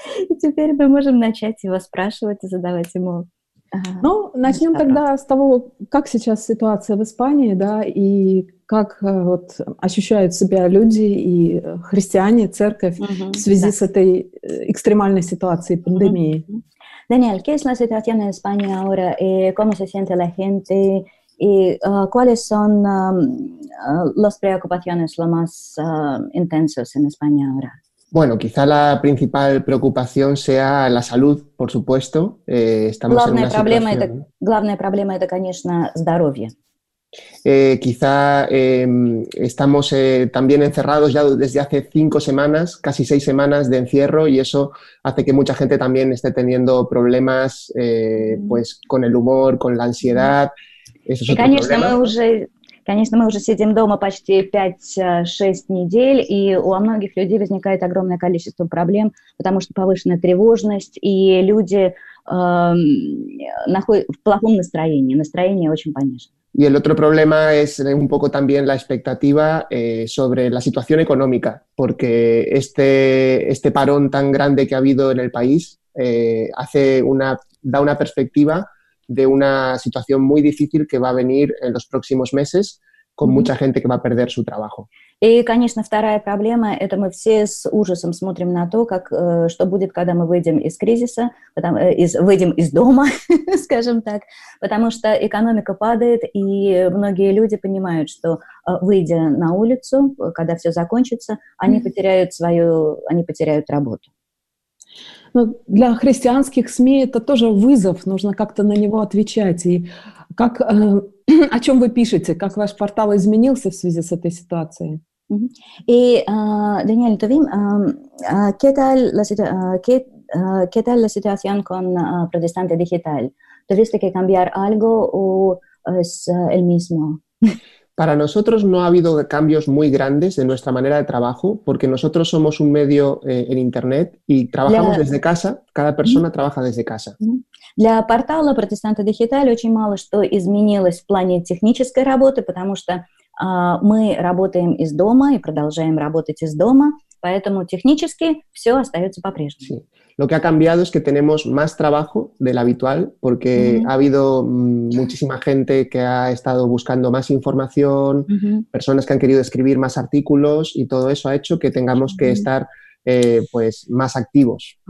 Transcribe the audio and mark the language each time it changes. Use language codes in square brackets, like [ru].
[ru] И теперь мы можем начать его спрашивать и задавать ему. Ну, начнем тогда с того, как сейчас ситуация в Испании, да, и как вот ощущают себя люди и христиане, церковь в связи с этой экстремальной ситуацией пандемии. [es] Даниэль, ¿qué es la situación en España ahora y cómo se siente la gente y cuáles son las preocupaciones lo más intensos en España ahora? Bueno, quizá la principal preocupación sea la salud, por supuesto. Estamos [ru] главное [es] en una [ru] проблема [es] situación... [ru] Это, главное проблема это, конечно, здоровье. [es] Quizá estamos también encerrados ya desde hace 5 semanas, casi 6 semanas de encierro, y eso hace que mucha gente también esté teniendo problemas pues, con el humor, con la ansiedad. Eso es otro [ru] конечно, [es] problema. [ru] Конечно, мы уже сидим дома почти 5-6 недель, и у многих людей возникает огромное количество проблем, потому что повышенная тревожность, и люди находятся в плохом настроении, настроение очень понижено. [es] Y el otro problema es un poco también la expectativa sobre la situación económica, porque este parón tan grande que ha habido en el país da una perspectiva de una situación muy difícil que va a venir en los próximos meses con mucha gente que va a perder su trabajo. [ru] Y, конечно, вторая проблема – это мы все с ужасом смотрим на то, как, что будет, когда мы выйдем из кризиса, выйдем из дома, скажем так, потому что экономика падает, и многие люди понимают, что, выйдя на улицу, когда все закончится, они потеряют свою, они потеряют работу. Ну, для христианских СМИ это тоже вызов, нужно как-то на него отвечать. И как, о чем вы пишете? Как ваш портал изменился в связи с этой ситуацией? И, Даниэль, ты видишь, [es] ¿qué tal la situación con Protestante Digital? ¿Tuviste que cambiar algo o es el mismo? Para nosotros no ha habido cambios muy grandes de nuestra manera de trabajo, porque nosotros somos un medio en Internet y trabajamos desde casa, cada persona trabaja desde casa. [ru] Для портала Протестанта Дигиталь очень мало что изменилось в плане технической работы, потому что мы работаем из дома и продолжаем работать из дома, Поэтому технически все остается по-прежнему. [es] Sí. Lo que ha cambiado es que tenemos más trabajo del habitual, porque ha habido muchísima gente que ha estado buscando más información, personas que han querido escribir más artículos, y todo eso ha hecho que tengamos que estar pues, más activos.